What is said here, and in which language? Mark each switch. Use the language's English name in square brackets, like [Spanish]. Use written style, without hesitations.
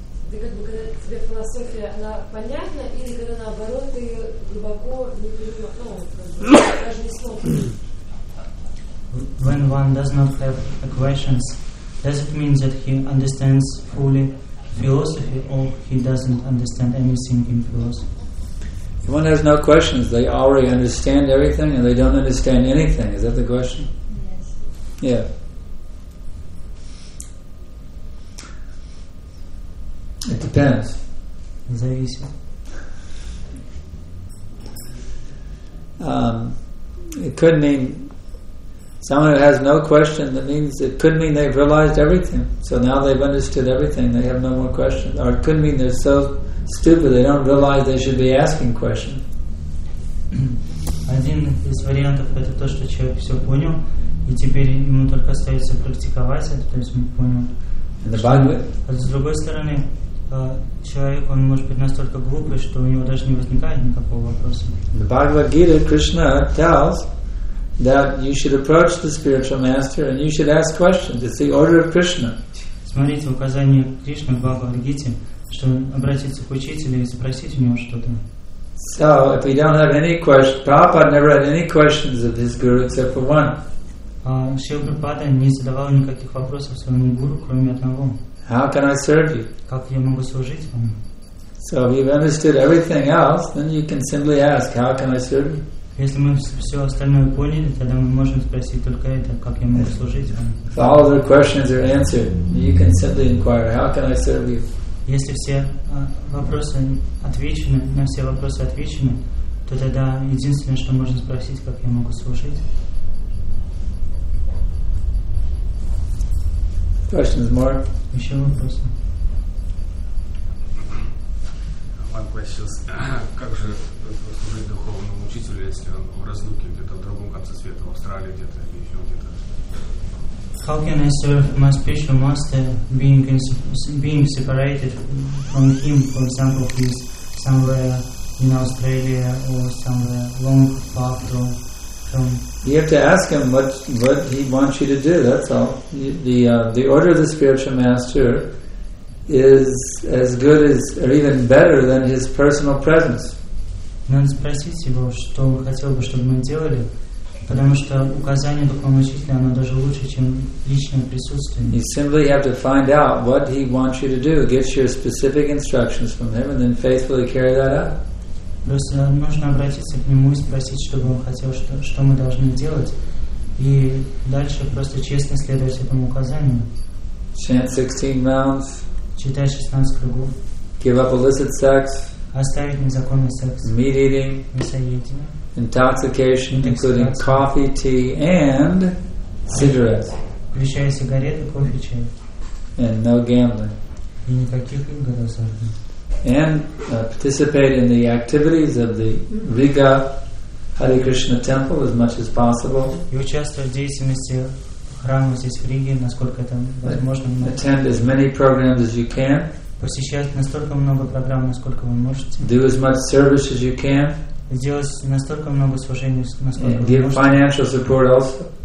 [Russian] Ты как бы, когда тебе философия, она понятна, или когда наоборот ты глубоко не понимаешь, ну, как бы, даже не смог. [English] When one does not have a questions, does it mean that he understands fully philosophy, or he doesn't understand anything in philosophy? If one has no questions, they already understand everything, and they don't understand anything. Is that the question? Yes. Yeah. It depends. Is that easy? It could mean someone who has no question, that means it could mean they've realized everything. So now they've understood everything, they have no more questions. Or it could mean they're so stupid they don't realize they should be asking questions. [Russian] Один из вариантов — это то, что человек все понял, и теперь ему только остается практиковать это, то есть он понял. [English] And the Bhagavad. [Russian] А с другой стороны, человек, он может быть настолько глупый, что у него даже не возникает никакого вопроса. [English] The Bhagavad Gita, Krishna tells that you should approach the spiritual master and you should ask questions. It's the order of Krishna. [Russian] Смотрите указание Кришны в Бхагавад-гите, что обратиться к учителю и спросить у него что-то. [English] So if we don't have any questions, Prabhupada never had any questions of his guru except for one. [Russian] Шрила Прабхупада не задавал никаких вопросов своему гуру, кроме одного. [English] How can I serve you? [Russian] Как я могу служить вам? [English] So if you've understood everything else, then you can simply ask, how can I serve you? [Russian] Если мы все остальное поняли, тогда мы можем спросить только это, как я могу служить вам. [English] If all the questions are answered, you can simply inquire, how can I serve you? [Russian] Если все вопросы отвечены, на все вопросы отвечены, то тогда единственное, что можно спросить, как я могу служить. [English] Questions more? [Russian] Еще вопросы. [English] One question. [Russian] Как же служить духовному учителю, если он в разлуке где-то в другом конце света, в Австралии где-то или еще где-то? [English] How can I serve my spiritual master being separated from him? For example, he's somewhere in Australia or somewhere long far from. You have to ask him what he wants you to do. That's all. The order of the spiritual master is as good as or even better than his personal presence. [Russian] Надо спросить его, что он хотел бы, чтобы мы делали, Потому что указание духовного учителя, оно даже лучше, чем личное присутствие. [English] You simply have to find out what he wants you to do. Gets your specific instructions from him and then faithfully carry that out. [Russian] Просто нужно обратиться к нему и спросить, чтобы он хотел, что мы должны делать. И дальше просто честно следовать этому указанию. [English] Chant 16 rounds. [Russian] Читай 16 кругов. [English] Give up illicit sex. [Russian] Оставить незаконный секс. [English] Meat eating. [Russian] Мясоедение. [English] Intoxication, including coffee, tea, and cigarettes. [Russian] Включая сигареты, кофе, чай. [English] And no gambling. [Russian] И никаких игр азартных. [English] And participate in the activities of the Riga Hare Krishna temple as much as possible. [Russian] И участвовать в деятельности храма здесь в Риге, насколько это возможно. [English] Attend as many programs as you can. [Russian] Посещать настолько много программ, насколько вы можете. [English] Do as much service as you can. [Russian] Сделать настолько много служений, насколько [English] give financial support also.